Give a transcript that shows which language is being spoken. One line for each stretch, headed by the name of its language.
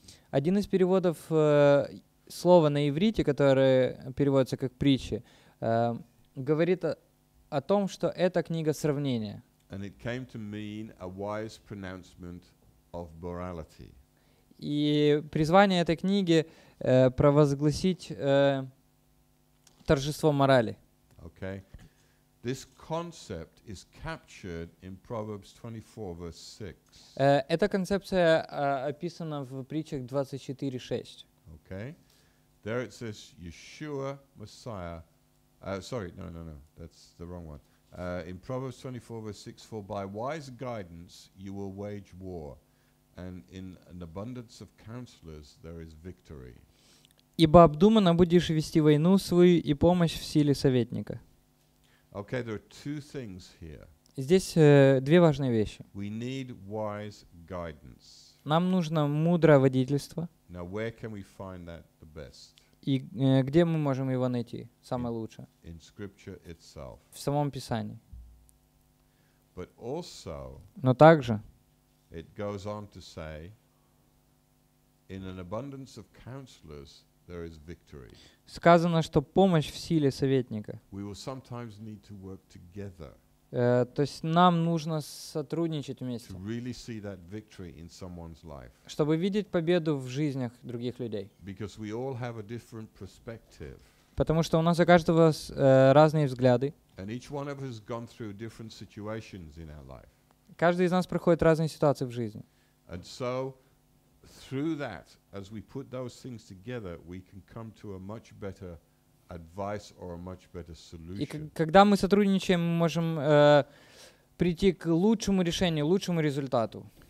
Russian: Один из переводов слово на иврите, которое переводится как притчи, говорит о том, что это книга сравнения.
English: And it came to mean a wise pronouncement of morality.
Russian: И призвание этой книги провозгласить торжество морали.
English: Okay. This concept is captured in Proverbs 24, verse 6.
Russian: Эта концепция описана в притчах 24:6.
English: Okay. There it says, Yeshua, Messiah. That's the wrong one. In Proverbs 24, verse 6, for by wise guidance you will wage war, and in an abundance of counselors there is victory.
Russian: Ибо обдуманно будешь вести войну свою и помощь в силе советника.
English: Okay, there are two things here.
Russian: Здесь две важные вещи.
English: We need wise guidance.
Russian: Нам нужно мудрое водительство.
English: Now, where can we find that the best?
Russian: И где мы можем его найти самое лучшее?
English: In scripture itself.
Russian: В самом Писании.
English: But also,
Russian: но также
English: it goes on to say, in an abundance of counselors there is victory.
Russian: Сказано, что помощь в силе советника.
English: We will sometimes need to work together.
Russian: То есть нам нужно сотрудничать вместе.
English: To really see that victory in someone's life.
Russian: Чтобы видеть победу в жизнях других людей.
English: Because we all have a different perspective.
Russian: Потому что у нас у каждого разные взгляды.
English: And each one of us has gone through different situations in our life.
Russian: Каждый из нас проходит разные ситуации в жизни.
English: And so through that, as we put those things together, we can come to a much better advice or a much better solution.
Russian: И когда мы сотрудничаем, мы можем прийти к лучшему решению, лучшему результату.